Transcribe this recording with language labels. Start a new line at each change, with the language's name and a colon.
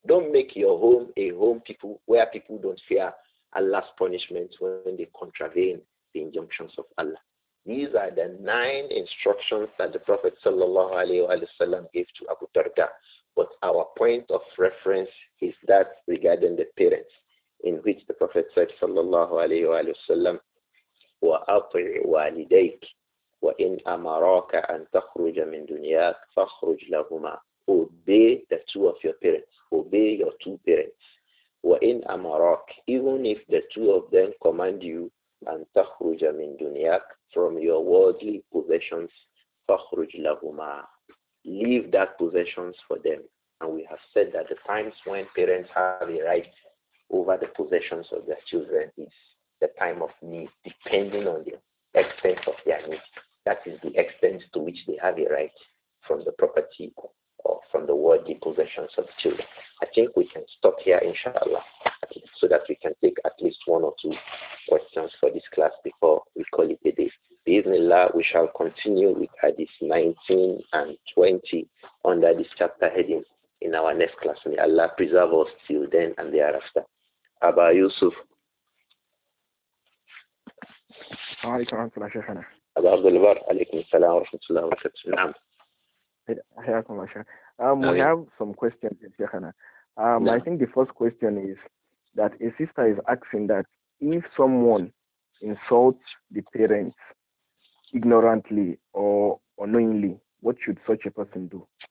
English: Don't make your home a home people where people don't fear Allah's punishment when they contravene the injunctions of Allah. These are the nine instructions that the Prophet sallallahu alayhi wa sallam gave to Abu Darda. But our point of reference is that regarding the parents. in which the Prophet said,
Arabic: sallallahu alayhi wa sallam, وَأَطِعْ وَالِدَيْكَ وَإِنْ أَمَرَاكَ أَنْ تَخْرُجَ مِنْ دُنْيَاكَ فَخْرُجْ لَهُمَا.
English: Obey the two of your parents. Obey your two parents.
Arabic: وَإِنْ أَمَرَاكَ,
English: even if the two of them command you,
Arabic: أَنْ تَخْرُجَ مِنْ دُنْيَاكَ,
English: from your worldly possessions,
Arabic: فَخْرُجْ لَهُمَا,
English: leave that possessions for them. And we have said that the times when parents have a right over the possessions of their children is the time of need, depending on the extent of their need. That is the extent to which they have a right from the property or from the worldly possessions of the children. I think we can stop here, inshallah, so that we can take at least one or two questions for this class before we call it a day. Bismillah, we shall continue with hadith 19 and 20 under this chapter heading in our next class. May Allah preserve us till then and thereafter. Aba Yusuf.
Arabic: وعليكم ورحمة الله شيخنا. أبا عبد البر، عليكم السلام ورحمة الله وبركاته. نعم. حياكم الله شيخ.
English: We have some questions شيخنا. I think the first question is that a sister is asking that if someone insults the parents ignorantly or unknowingly, what should such a person do?